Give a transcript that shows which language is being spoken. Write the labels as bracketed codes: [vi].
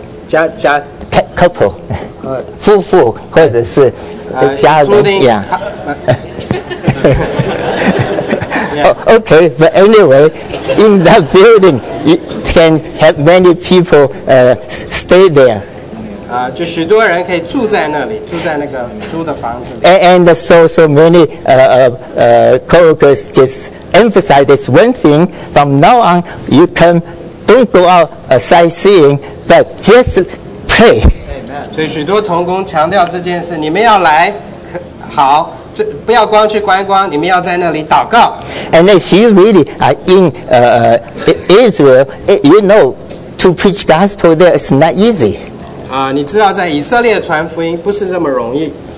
[zh] 11到10加 couple 夫妇或者是家人一样。 [en] Okay, but anyway, in that building, you can have many people stay there. [zh] 就许多人可以住在那里，住在那个租的房子里。 [en] And so many coworkers just emphasize this one thing. From now on, you can don't go out sightseeing, but just pray. Amen. [zh] 所以许多同工强调这件事，你们要来，好。不要光去观光，你们要在那里祷告。 [en] And if you really are in Israel, you know, to preach gospel there is not easy. [zh] 你知道在以色列传福音不是这么容易。